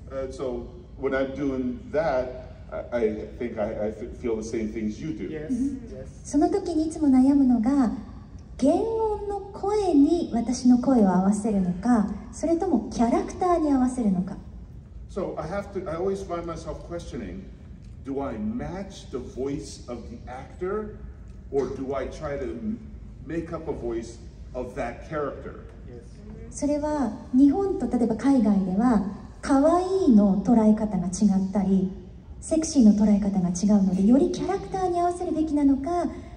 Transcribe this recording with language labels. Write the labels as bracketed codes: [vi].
[en] So when I'm doing that, I think I feel the same things you do. Yes. Mm-hmm. Yes. [ja] その時にいつも悩むのが 原音の声に私の声を合わせるのか それともキャラクターに合わせるのか [en] So I always find myself questioning, do I match the voice of the actor or do I try to make up a voice of that character? Yes. [ja] それは日本と例えば海外では可愛いの捉え方が違ったりセクシーの捉え方が違うのでよりキャラクターに合わせるべきなのか